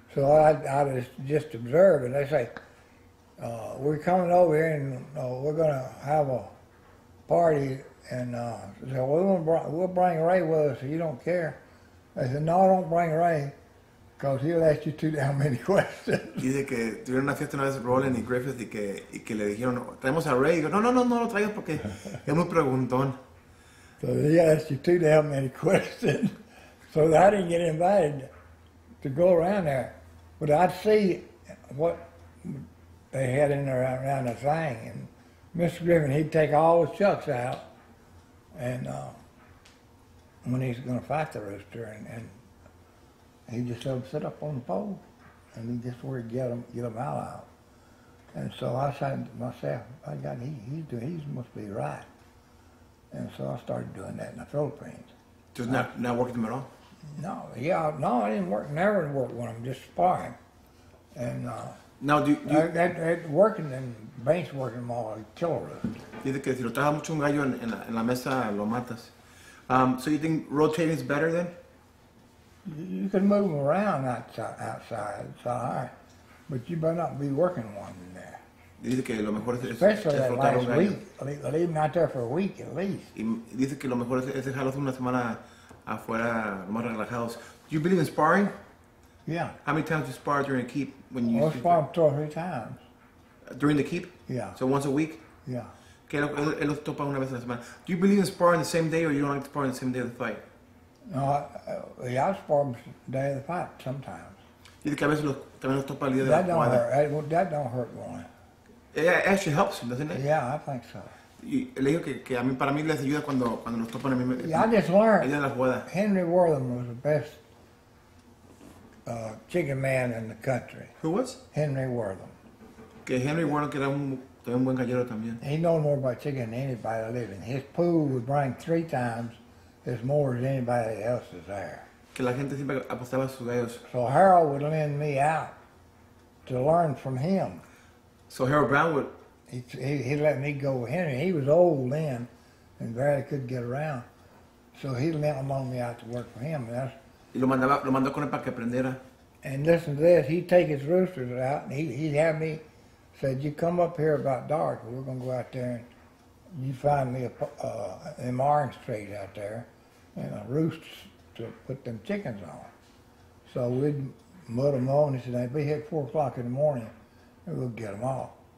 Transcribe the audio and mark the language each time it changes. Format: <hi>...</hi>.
<en>So I just observe, and they say, we're coming over here, and we're going to have a party. And they said, we'll bring Ray with us, so you don't care. I said, no, don't bring Ray, because he'll ask you too damn many questions.</en> <es>Dice que tuvieron una fiesta una vez Roland y Griffith y que le dijeron, traemos a Ray. Y go, no, lo traigo porque es muy preguntón.</es> <en>So he asked you too damn many questions. So I didn't get invited to go around there. But I'd see what they had in there around the thing. And Mr. Griffin, he'd take all the chucks out. And when he's going to fight the rooster, and he just let him sit up on the pole, and he just where he get him out. And so I said to myself, I got he must be right. And so I started doing that in the Philippines. Just not working them at all? No, I didn't work, never worked with them, just sparring. And now do you working them. Banks working more like killer.</en> <es>Dice que si lo trabaja mucho un gallo en la mesa, lo matas.</es> <en>So you think rotating is better then? You can move them around outside, it's all right. But you better not be working one in there.</en> <es>Dice que lo mejor</es> <en>especially</en> <es>es</es> <en>that last week, leaving out there for a week at least.</en> <es>Dice que lo mejor es dejarlos una semana afuera, más relajados.</es> <en>Do you believe in sparring? Yeah. How many times do you spar during a keep? When you spar two or three times. During the keep? Yeah. So once a week? Yeah.</en> <es>Que él los topa una vez a la semana.</es> <en>Do you believe in sparring the same day or you don't like to spar on the same day of the fight? No, I spar on the day of the fight sometimes.</en> <es>Dice que a veces también los topa el día de la jugada.</es> <en>Well, that don't hurt one. It actually helps him, doesn't it? Yeah, I think so.</en> <es>Le digo que a mí, para mí les ayuda cuando los topan a mí.</es> <en>Yeah, I just learned Henry Wortham was the best chicken man in the country. Who was? Henry Wortham.</en> <es>Que Henry Warren, que era un buen gallero también.</es> <en>He knows more about chicken than anybody living. His pool would bring three times as more as anybody else's there.</en> <es>Que la gente siempre apostaba a sus gallos.</es> <en>So Harold would lend me out to learn from him. So Harold Brown would? He let me go with Henry. He was old then and barely could get around. So he lent me out to work for him.</en> <es>Y lo mandó con él para que aprendiera.</es> <en>And listen to this, he'd take his roosters out and he'd have me said, you come up here about dark, we're going to go out there and you find me an orange tree out there and a roost to put them chickens on. So we'd mud them on, and he said, they'd be here at 4 o'clock in the morning and we'll get them off.</en>